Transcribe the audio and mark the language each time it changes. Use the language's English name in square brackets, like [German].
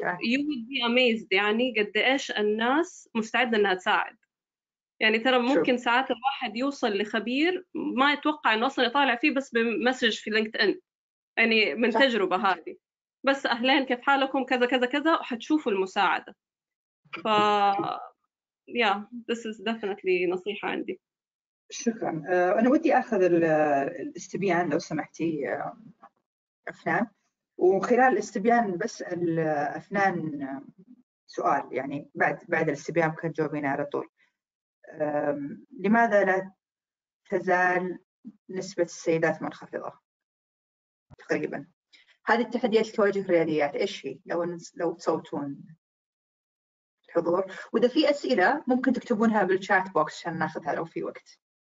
[English] You would be amazed [Arabic] يعني قد إيش الناس مستعدة أنها تساعد. يعني ترى ممكن ساعات الواحد يوصل لخبير ما يتوقع أنه أصلا يطالع فيه بس بمسج في لينكدإن، يعني من صح. تجربة هذه بس، أهلين كيف حالكم كذا كذا كذا، وحتشوفوا المساعدة. [English] ف yeah, this is definitely [Arabic] نصيحة عندي. شكرا. أنا ودي أخذ الاستبيان لو سمحتي أفنان، وخلال الاستبيان بسأل أفنان سؤال يعني بعد الاستبيان كان جاوبين على طول. لماذا لا تزال نسبة السيدات منخفضة تقريبا؟ هذه التحديات اللي تواجه الرياديات إيش هي؟ لو تصوتون حضور، وإذا في أسئلة ممكن تكتبونها بالشات بوكس عشان ناخذها لو في وقت.